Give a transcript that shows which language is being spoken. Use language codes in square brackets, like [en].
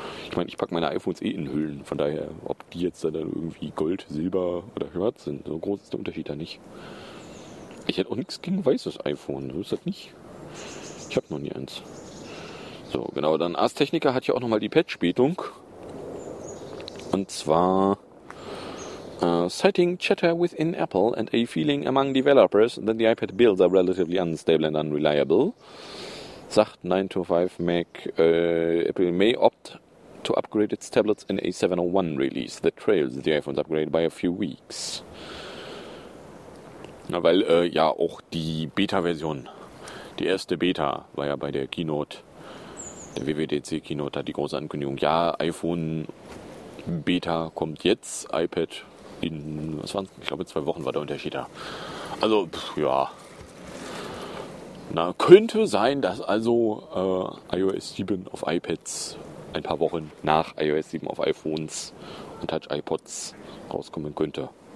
[de] Ich meine, ich packe meine iPhones eh in Hüllen, von daher, ob die jetzt dann irgendwie Gold, Silber oder Schwarz sind, so groß ist der Unterschied da nicht. Ich hätte auch nichts gegen weißes iPhone, so ist das nicht. Ich habe noch nie eins. So, genau, dann Ars Technica hat hier auch nochmal die Patch-Betung. Und zwar, [en] citing chatter within Apple and a feeling among developers that the iPad builds are relatively unstable and unreliable, [de] sagt 9to5Mac, [en] Apple may opt to upgrade its tablets in a 7.01 release that trails the iPhone's upgrade by a few weeks. [de] Na, weil ja auch die Beta-Version, die erste Beta war ja bei der Keynote, der WWDC-Keynote, hat die große Ankündigung, ja, iPhone Beta kommt jetzt, iPad in, was waren es? Ich glaube, 2 Wochen war der Unterschied da. Also, ja. Na, könnte sein, dass also iOS 7 auf iPads ein paar Wochen nach iOS 7 auf iPhones und Touch-iPods rauskommen könnte.